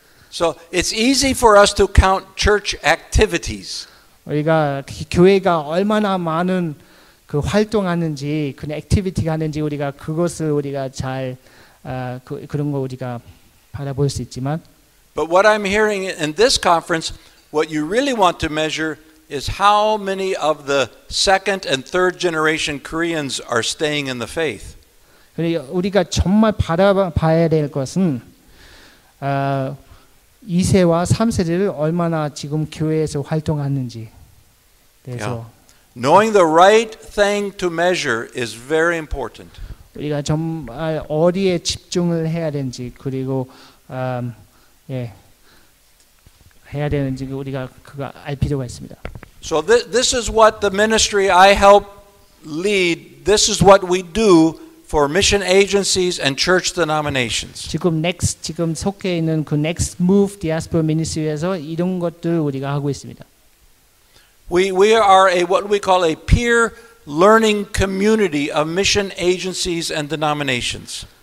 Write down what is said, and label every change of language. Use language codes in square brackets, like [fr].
[en] So it's easy for us to count church activities. [ko] 우리가 교회가 얼마나 많은 그 활동하는지, 그 액티비티가 하는지 우리가 그것을 우리가 잘 그런 거 우리가 바라볼 수 있지만. [en] But what I'm hearing in this conference, what you really want to measure is how many of the second and third generation Koreans are staying in the faith. [ko] 우리가 정말 바라봐야 될 것은 2세와 3세를 얼마나 지금 교회에서 활동하는지. [en] Yeah. Knowing the right thing to measure is very important. [ko] 우리가 정말 어디에 집중을 해야 되는지 그리고 예 해야 되는지 우리가 그거 알 필요가 있습니다. [en] So this is what the ministry I help lead. This is what we do for mission agencies and church denominations. [ko] 지금 next 지금 속해 있는 그 next move diaspora ministry에서 이런 것들 우리가 하고 있습니다. [en] We are a what we call a peer learning community of mission agencies and denominations.